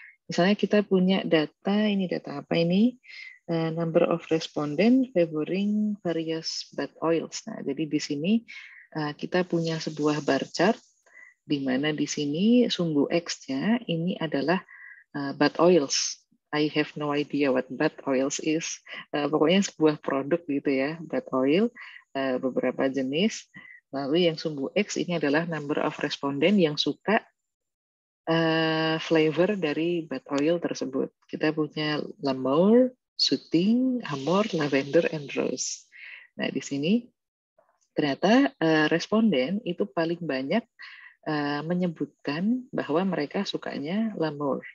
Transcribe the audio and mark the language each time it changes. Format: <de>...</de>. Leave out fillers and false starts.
<id>Misalnya kita punya data, ini data apa ini?</id> <en>Number of respondent favoring various bad oils.</en> <id>Nah, jadi di sini kita punya sebuah bar chart di mana di sini sumbu X-nya ini adalah bad oils.</id> <en>I have no idea what bad oils is.</en> <id>Pokoknya sebuah produk gitu ya, bad oil, beberapa jenis. Lalu yang sumbu X ini adalah number of respondent yang suka flavor dari bad oil tersebut. Kita punya lemur, suting, amor, lavender, and rose. Nah, di sini ternyata responden itu paling banyak menyebutkan bahwa mereka sukanya lemur.</id>